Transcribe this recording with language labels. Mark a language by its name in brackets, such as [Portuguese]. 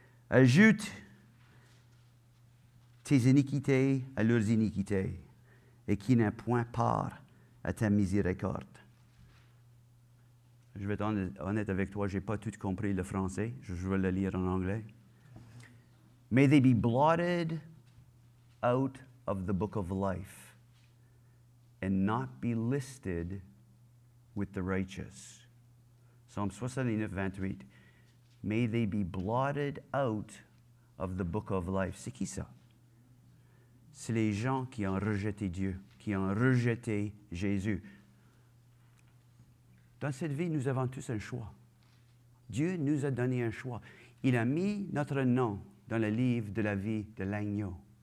[French] Ajoute tes iniquités à leurs iniquités et qui n'a point part à ta miséricorde. Je vais être honnête avec toi, je n'ai pas tout compris le français. Je vais le lire en anglais. [English] May they be blotted out of the book of life and not be listed with the righteous. Psalm 69, 28. May they be blotted out of the book of life. [French] C'est qui ça? C'est les gens qui ont rejeté Dieu, qui ont rejeté Jésus. Dans cette vie, nous avons tous un choix. Dieu nous a donné un choix. Il a mis notre nom dans le livre de la vie de l'agneau.